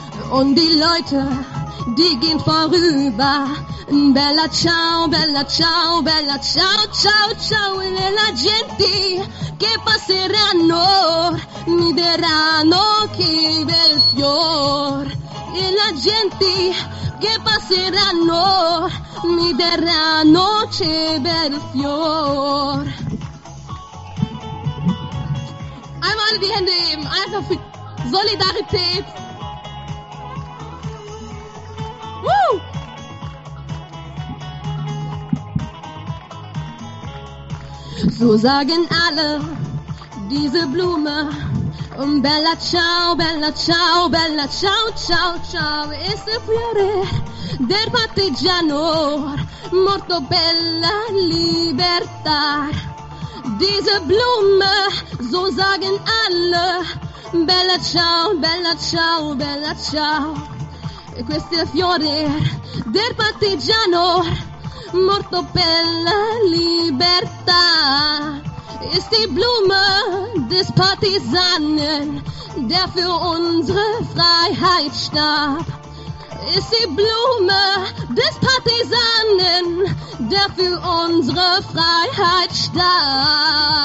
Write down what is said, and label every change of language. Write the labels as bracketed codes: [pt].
[de] Und die Leute, die gehen vorüber. [it] Bella Ciao, Bella Ciao, Bella Ciao, Ciao, Ciao. E la gente che passeranno mi diranno che bel fior. E la gente che passeranno mi diranno che bel fior. [de] Einmal die Hände heben, einfach für Solidarität. So sagen alle diese Blume, Bella Ciao, Bella Ciao, Bella Ciao, Ciao, Ciao. [it] Es el fiore del partigiano, morto bella libertà. [de] Diese Blume, so sagen alle, Bella Ciao, Bella Ciao, Bella Ciao. [it] Questo è il fiore del partigiano, morto per la libertà. [de] Ist die Blume des Partisanen, der für unsere Freiheit starb. Ist die Blume des Partisanen, der für unsere Freiheit starb.